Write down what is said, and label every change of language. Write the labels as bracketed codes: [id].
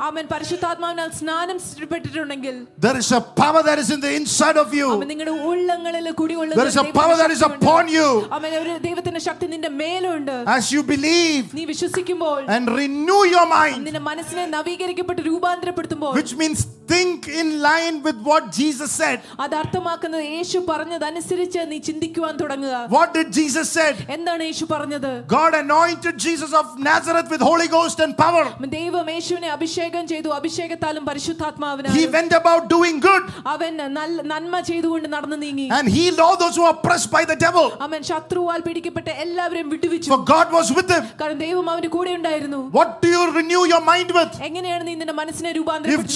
[ml] അവൻ പരിശുദ്ധാത്മാവിനാൽ സ്നാനം പെട്ടിട്ടുണ്ടെങ്കിൽ. [en] There is a power that is in the inside of you. [ml] അവൻ നിങ്ങളുടെ ഉള്ളങ്ങളിൽ കുടികൊള്ളുന്നു. [en] There is a power that is upon you. [ml] അവൻ ഒരു ദൈവത്തിന്റെ ശക്തി നിന്റെ മേലുണ്ട്. [en] As you believe. [ml] നീ വിശ്വസിക്കുമ്പോൾ. [en] And renew your mind. [ml] നിന്റെ മനസ്സിനെ നവീകരിക്കപ്പെട്ട് രൂപാന്തരപ്പെടുത്തുമ്പോൾ. [en] Which means think in line with what Jesus said. [ml] അത് അർത്ഥമാക്കുന്നത് യേശു പറഞ്ഞതനുസരിച്ച് നീ ചിന്തിക്കാൻ തുടങ്ങുക. [en] What did Jesus said? [ml] എന്താണ് [en] God anointed Jesus of Nazareth with Holy Ghost and power. [ml] ദൈവം യേശുവിനെ അഭിഷേകം ചെയ്തു അഭിഷേകത്താലും പരിശുദ്ധാത്മാവിനാലും. [en] He went about doing good. [ml] അവൻ നന്മ ചെയ്തുകൊണ്ട് നടന്നു നീങ്ങി. [en] And he healed all those who were oppressed by the devil. [ml] അവൻ ശത്രുവാൽ പിടിക്കപ്പെട്ട എല്ലാവരെയും വിടുവിച്ചു. [en] For God was with him. [ml] കാരണം ദൈവം അവന്റെ കൂടെ ഉണ്ടായിരുന്നു. [en] What do you renew your mind with? [ml] എങ്ങനെയാണ് നീ നിന്റെ മനസ്സിനെ രൂപാന്തരപ്പെടുത്തുന്നത്?